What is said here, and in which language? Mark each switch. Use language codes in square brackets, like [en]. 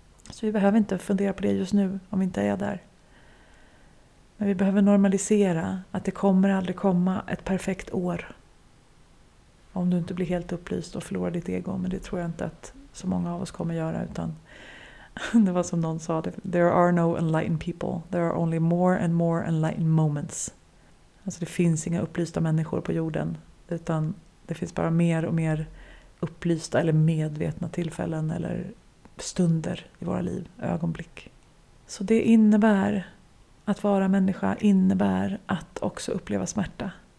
[sv] Så vi behöver inte fundera på det just nu om vi inte är där. Men vi behöver normalisera att det kommer aldrig komma ett perfekt år. Om du inte blir helt upplyst och förlorar ditt ego. Men det tror jag inte att så många av oss kommer göra. Utan det var som någon sa. [en] There are no enlightened people. There are only more and more enlightened moments. [sv] Alltså det finns inga upplysta människor på jorden. Utan det finns bara mer och mer upplysta eller medvetna tillfällen. Eller stunder i våra liv. Ögonblick. Så det innebär att vara människa innebär att också uppleva smärta.